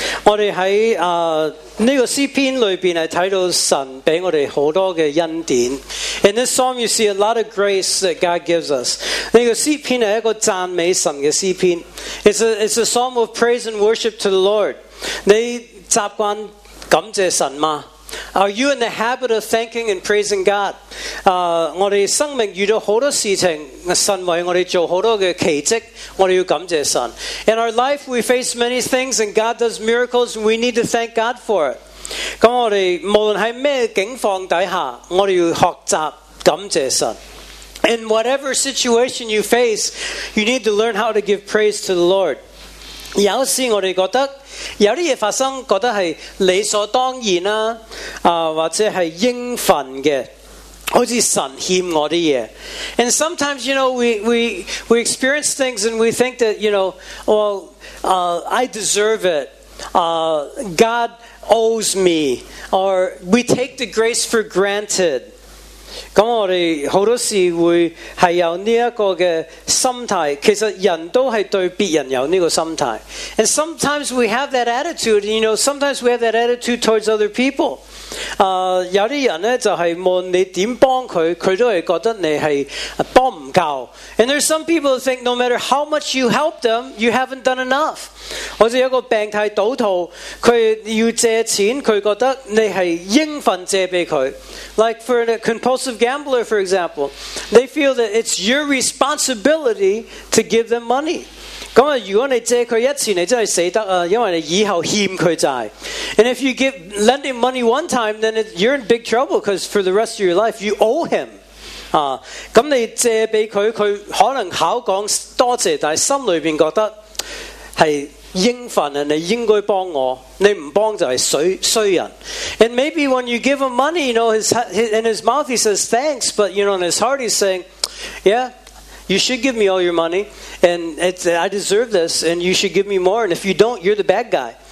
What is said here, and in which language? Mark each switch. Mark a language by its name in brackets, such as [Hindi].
[Cantonese] 我哋喺呢个诗篇里边系睇到神俾我哋好多嘅恩典。 [English] In this psalm, you see a lot of grace that God gives us. [Cantonese] 呢个诗篇系一个赞美神嘅诗篇。 [English] It's a psalm of praise and worship to the Lord. [Cantonese] 你习惯感谢神吗？ [English] Are you in the habit of thanking and praising God? [Cantonese] 我哋生命遇到好多事情，神为我哋做好多嘅奇迹，我哋要感谢神。 [English] In our life, we face many things, and God does miracles, and we need to thank God for it. [Cantonese] 咁我哋无论喺咩境况底下，我哋要学习感谢神。 [English] In whatever situation you face, you need to learn how to give praise to the Lord. [Cantonese] 有时我哋觉得。有啲嘢发生，觉得系理所当然啦、或者系应份嘅，好似神欠我啲嘢。 [English] And sometimes you know we experience things and we think that you know well I deserve it. God owes me, or we take the grace for granted. [Cantonese] 咁我哋好多时会系有呢一个嘅心态，其实人都系对别人有呢个心态。 [English] And sometimes we have that attitude, you know. Sometimes we have that attitude towards other people. [Cantonese] 有啲人咧就系无论你点帮佢，佢都系觉得你系帮唔够。 [English] And there's some people who think no matter how much you help them, you haven't done enough. [Cantonese] 或者有个病态赌徒，佢要借钱，佢觉得你系应份借俾佢。 [English] Like for a compulsive gambler, for example, they feel that it's your responsibility to give them money. [Cantonese] 咁啊，如果你借佢一次，你真系死得啊，因为你以后欠佢债。 [English] And if you give lending money one time, then you're in big trouble because for the rest of your life you owe him. [Cantonese] 咁你借俾佢，佢可能口讲多谢，但系心里边觉得系应份人，你应该帮我，你唔帮就系衰人。 [English] And maybe when you give him money, you know, in his mouth he says thanks, but you know, in his heart he's saying, yeah. You should give me all your money, and I deserve this, and you should give me more, and if you don't, you're the bad guy.